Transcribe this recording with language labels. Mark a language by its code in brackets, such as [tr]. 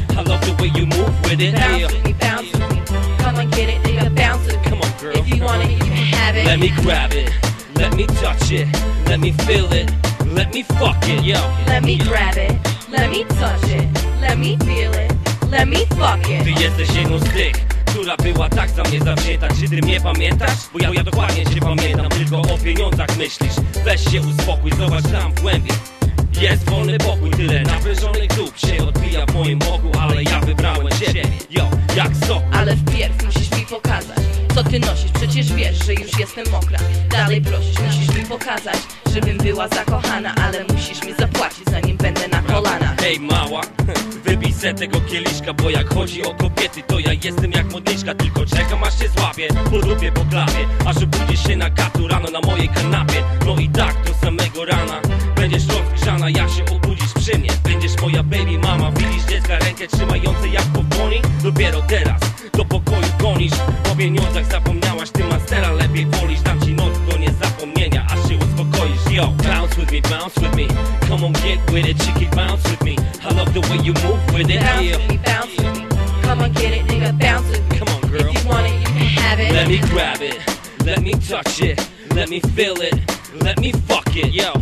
[en] I love the way you move with it. Bounce yeah. with me, bounce with me. Come on, get it, nigga, bounce with me. Come on, girl. If you want it, you can have it. Let me grab it, let me touch it, let me feel it. Let me fuck it, yo. Let me grab it, let me touch it, let me feel it, let me fuck it. [pl] Ty jesteś jedną z tych, która była tak za mnie zawzięta. Czy ty mnie pamiętasz? Bo ja dokładnie cię pamiętam. Tylko o pieniądzach myślisz. Weź się uspokój, zobacz tam w głębi. Jest wolny pokój, tyle nawyżonych dup się odbija w moim oku. Ale ja wybrałem ciebie, yo, jak sok. Ale wpierw musisz mi pokazać, co ty nosisz, przecież wiesz, że już jestem mokra. Dalej prosisz, musisz mi pokazać, żebym była zakochana. Ale musisz mi zapłacić, zanim będę na kolanach. Hej mała, wybij se tego kieliszka. Bo jak chodzi o kobiety, to ja jestem jak modliszka. Tylko czekam, aż się złapię, po dupie, po klawie. Aż obudzisz się na katu rano na mojej kanapie. No i tak do samego rana będziesz rozgrzana, jak się obudzisz przy mnie. Będziesz moja [en] baby mama, [pl] widzisz dziecka rękę trzymające jak po dłoni. Dopiero teraz do pokoju gonisz. O pieniądzach zapomniałaś, ty mastera lepiej wolisz. Dam ci noc do niezapomnienia, aż się uspokoisz, yo. [en] Bounce with me, bounce with me. Come on, get with it, chicky, bounce with me. I love the way you move with it, bounce yeah. with me, bounce with me. Come on, get it, nigga, bounce with me. Come on, girl. If you want it, you can have it. Let me grab it, let me touch it, let me feel it, let me fuck it, yo.